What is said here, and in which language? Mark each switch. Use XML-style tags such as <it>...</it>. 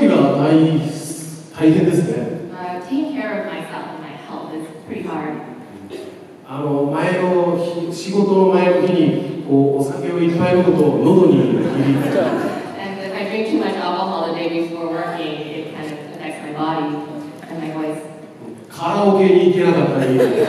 <ja>難しいところは健康管理が大変ですね。</ja> <en>Taking care of myself and my health is pretty hard.</en> <ja>仕事の前の日にお酒をいっぱい飲むと喉に響く。</ja> <en>And if I drink too much alcohol the day before working, it kind of affects my body and my voice.</en> <ja>カラオケに行けなかったり。</ja>